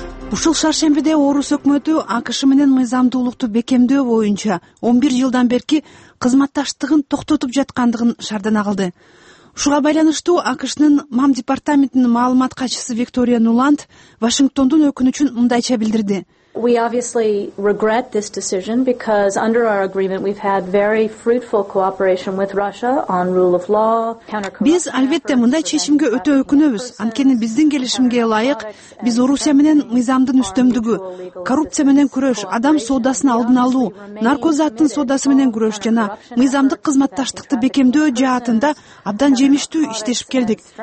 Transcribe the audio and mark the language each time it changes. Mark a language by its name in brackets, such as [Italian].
[Kyrgyz] Ушул шаршембиде Орус өкмөтү АКШ менен мыйзамдуулукту бекемдөө боюнча 11 жылдан берки кызматташтыгын токтотуп жаткандыгын шаардана кылды. Ушуга байланыштуу АКШнын мам департаментинин маалымат катчысы Виктория Нуланд Вашингтондун өкүнүчүн мындайча билдирди. [English] We obviously regret this decision because under our agreement we've had very fruitful cooperation with Russia on rule of law, counter-corruption. [Kyrgyz] Биз албетте мындай чечимге өтө өкүнөбүз. Анткени биздин келишимге ылайык, биз Орусия менен мыйзамдын үстөмдүгү, коррупция менен күрөш, адам соодасын алдын алуу, наркозаттын соодасы менен күрөш жана мыйзамдык кызматташтыкты бекемдөө жаатында абдан жемиштүү иштешип келдик.